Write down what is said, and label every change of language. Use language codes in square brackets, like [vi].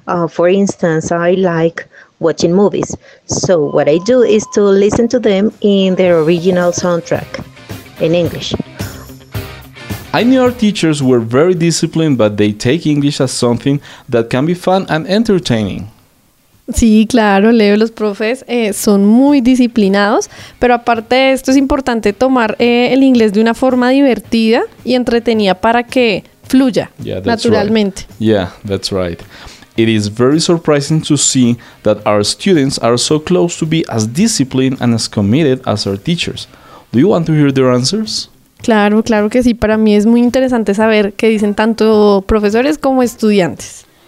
[en] For instance, I like watching movies. So what I do is to listen to them in their original soundtrack in English. I knew our teachers were very disciplined, but they take English as something that can be fun and entertaining. [es] Sí, claro, Leo, los profes son muy disciplinados, pero aparte de esto es importante tomar el inglés de una forma divertida y entretenida para que fluya naturalmente. [en] Right. Yeah, that's right. It is very surprising to see that our students are so close to be as disciplined and as committed as our teachers. Do you want to hear their answers? [es] Claro, claro que sí. Para mí es muy interesante saber qué dicen tanto profesores como estudiantes.